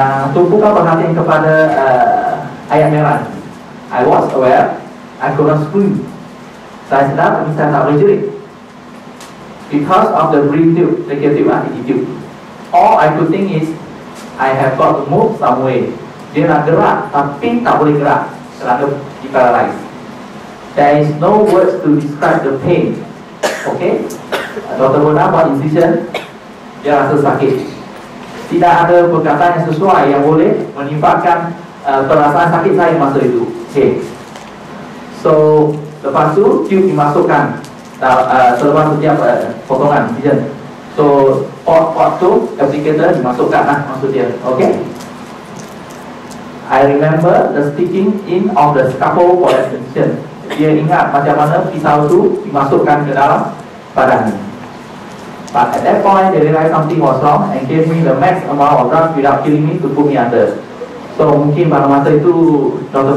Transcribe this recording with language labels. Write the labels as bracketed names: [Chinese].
[Malay] Tumpukan perhatian kepada ayat merah. [English] I was aware, I could not scream. [Malay] Saya sedar tapi saya tak boleh jerit. [English] Because of the brain tube, tracheal tube, ini tube. All I could think is, I have got to move some way. [Malay] Dia nak gerak, tapi tak boleh gerak. Kerana diparalyze. [English] There is no words to describe the pain. [Malay] Okay? Dr. Bona buat incision, dia rasa sakit. Tidak ada perkataan yang sesuai yang boleh menyebabkan perasaan sakit saya masa itu. Okay. So, lepas tu, tube dimasukkan selepas setiap potongan incision. So, port tu, applicator dimasukkan lah maksudnya, okay? [English] I remember the sticking in of the scalpel for that incision. [Malay] Dia ingat macam mana pisau tu dimasukkan ke dalam badan ni. [English] But at that point, they realized something was wrong and gave me the max amount of drugs without killing me to put me under. [Malay] So, mungkin pada masa itu, Dr.